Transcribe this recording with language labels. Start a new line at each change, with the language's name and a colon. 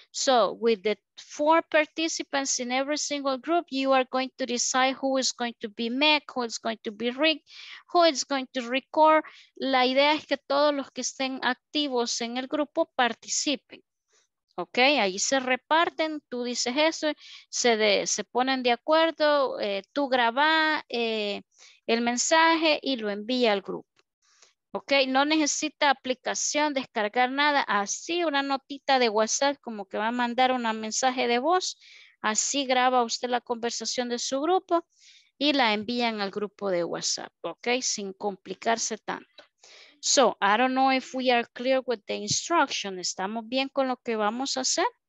English: So with the 4 participants in every single group, you are going to decide who is going to be Mac, who is going to be Rick, who is going to record.
Spanish: La idea es que todos los que estén activos en el grupo participen. Ok, ahí se reparten, tú dices eso, se ponen de acuerdo, tú grabas el mensaje y lo envía al grupo. Ok, no necesita aplicación, descargar nada, así una notita de WhatsApp como que va a mandar un mensaje de voz, así graba usted la conversación de su grupo y la envían al grupo de WhatsApp, ok, sin complicarse tanto.
English: So, I don't know if we are clear with the instruction.
Spanish: ¿Estamos bien con lo que vamos a hacer?